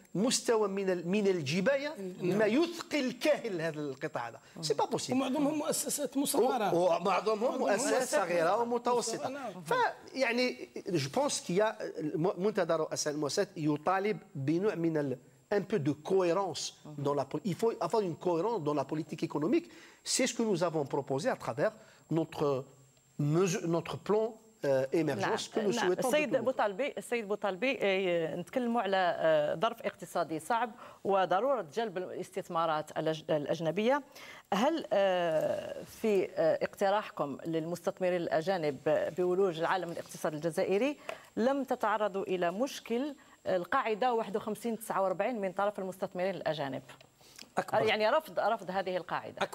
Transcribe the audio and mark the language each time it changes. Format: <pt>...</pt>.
<ar>مستوى من الجبايه ما يثقل كاهل هذا القطاع هذا،</ar> <fr>سي با بوسيبل.</fr> <ar>ومعظمهم مؤسسات مصغره، ومعظمهم مؤسسات صغيره ومتوسطه. فيعني جو بونس كيا منتدى رؤساء المؤسسات يطالب بنوع من</ar> <fr>un peu de cohérence dans la il faut avoir une cohérence dans la politique économique. C'est ce que nous avons proposé à travers notre notre plan</fr> <ar>السيد بوطالبي، السيد بوطالبي نتكلموا على ظرف اقتصادي صعب وضروره جلب الاستثمارات الاجنبيه، هل في اقتراحكم للمستثمرين الاجانب بولوج العالم الاقتصاد الجزائري لم تتعرضوا الى مشكل القاعده 51-49 من طرف المستثمرين الاجانب؟ أكبر يعني رفض هذه القاعده.</ar>